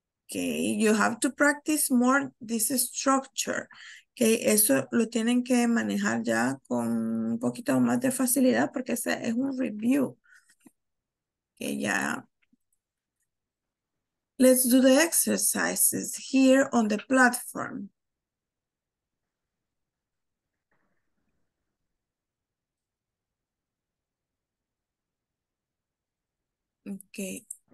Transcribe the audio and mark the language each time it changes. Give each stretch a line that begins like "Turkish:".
English: Okay, you have to practice more this structure. Okay,
Spanish: eso lo tienen que manejar ya con un poquito más de facilidad porque ese es un review. Okay, ya.
English: Let's do the exercises here on the platform. Okay.